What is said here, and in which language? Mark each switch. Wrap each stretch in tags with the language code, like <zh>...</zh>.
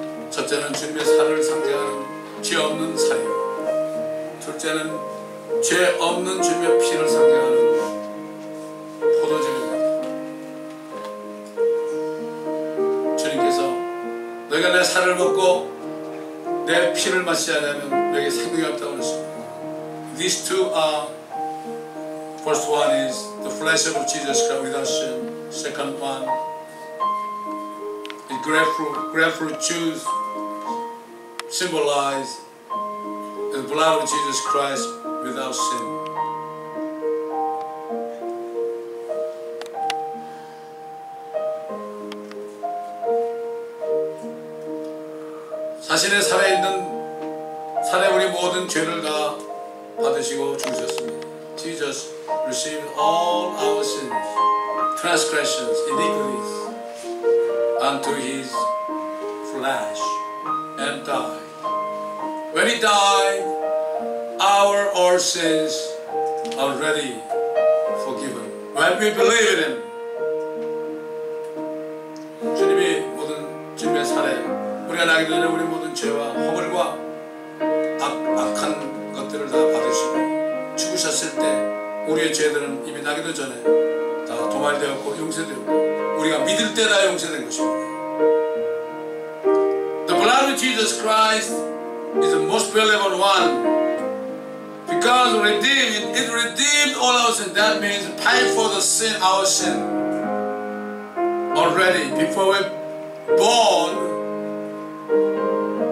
<ko>첫째는 주님의 살을 상징하는 죄 없는 사유, 둘째는 죄 없는 주님의 피를 상징하는 포도주입니다. 주님께서 너희가 내 살을 먹고 내 피를 마시지 않으면 너희에게 생명이 없다고 그랬습니다.</ko> <en>These two are, first one is the flesh of Jesus Christ without sin. Second one is grapefruit juice symbolize the blood of Jesus Christ without sin.</en> <ko>자신의 살에 우리 모든 죄를 다 받으시고 죽으셨습니다.</ko> <en>Jesus received all our sins, transgressions, iniquities unto his flesh and died. When he died, our sins already forgiven. When we believe in him,</en> <ko>주님이 모든 죄의 살에 우리가 나기 전에 우리 모든 죄와 허물과 악한 것들을 다 받으시고 죽으셨을 때 우리의 죄들은 이미 나기도 전에 다 도말되었고 용서되었고 우리가 믿을 때 다 용서된 것입니다.</ko> <en>The blood of Jesus Christ is the most valuable one because it redeemed all our sins. That means paid for the sin, our sin already before we born.</en>